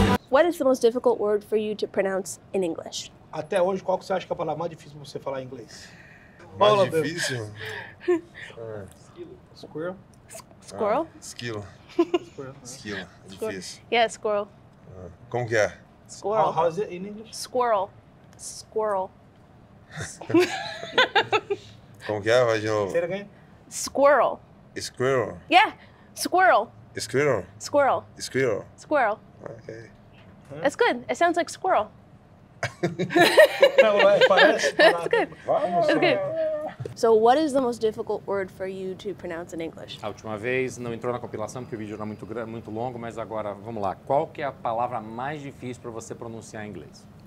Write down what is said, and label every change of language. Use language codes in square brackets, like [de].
[en] What is the most difficult word for you to pronounce in English? [pt] Até hoje, qual que você acha que é a palavra mais difícil para você falar em inglês? Mais difícil? Esquilo. Squirrel? [en] Squirrel? Squirrel. [pt] Esquilo. Esquilo. Difícil. [en] Yeah, squirrel. [pt] Como que é? [en] Squirrel. How is it in English? Squirrel. Squirrel. [pt] Como que é? Vai de novo. [en] Say it again. Squirrel. Squirrel. Yeah. Squirrel. Squirrel. Squirrel. Squirrel. Squirrel. Okay. Huh? That's good. It sounds like squirrel. That's good. That's good. So what is the most difficult word for you to pronounce in English? [pt] A última vez não entrou na compilação porque o vídeo era muito grande, muito longo, mas agora vamos lá. Qual que é a palavra mais difícil para você pronunciar em inglês?